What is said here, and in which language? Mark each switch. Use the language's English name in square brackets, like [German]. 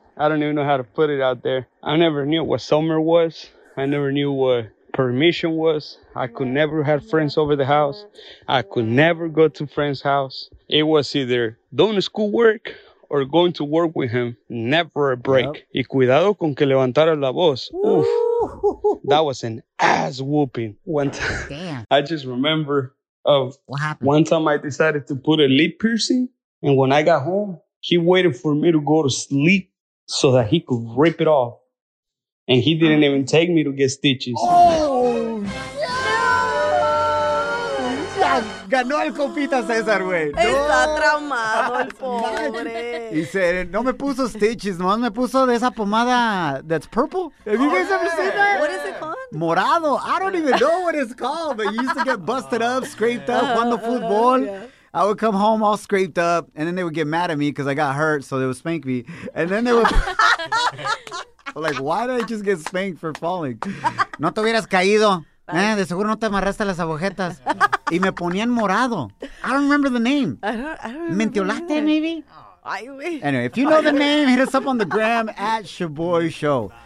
[English] I don't even know how to put it out there. I never knew what summer was. I never knew what permission was. I could never have friends over the house. I could never go to friends' house. It was either doing the schoolwork or going to work with him, never a break. Yep. [Spanish] Y cuidado con que levantara la voz. [English] Oof. That was an ass whooping. I just remember of one time I decided to put a lip piercing. And when I got home, he waited for me to go to sleep so that he could rip it off. And he didn't even take me to get stitches. [Spanish] Ganó el compita César, güey. Está traumado, el pobre. Y dice, no me puso stitches, nomás me puso de esa pomada [English] that's purple. Have you guys ever seen that? What is it called? [Spanish] Morado. [English] I don't even know what it's called, but you used to get busted up, scraped up, [Spanish] jugando fútbol. [English] I would come home all scraped up, and then they would get mad at me because I got hurt, so they would spank me. And then they would... like, why did I just get spanked for falling? [Spanish] No te hubieras caído. De seguro no te amarraste las agujetas. Y me ponían morado. [English] I don't remember the name. I don't Mentiolate, maybe? [Spanish] Ay, güey. [English] Anyway, if you know the name, hit us up on the gram at Shaboy Show.